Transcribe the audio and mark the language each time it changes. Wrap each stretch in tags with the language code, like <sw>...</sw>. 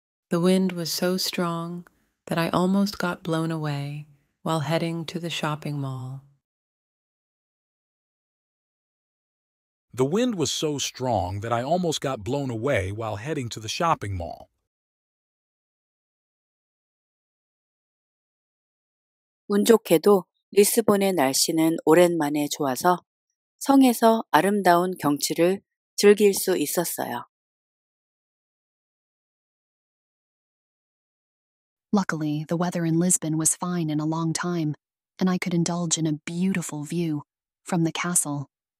<en>The wind was so strong that I almost got blown away while heading to the shopping mall. The wind was so strong that I almost got blown away while heading to the shopping mall.</en> <ko>운 좋게도 리스본의 날씨는 오랜만에 좋아서 성에서 아름다운 경치를 즐길 수 있었어요.</ko> <en>Luckily, the weather in Lisbon was fine in a long time, and I could indulge in a beautiful view from the castle.</en>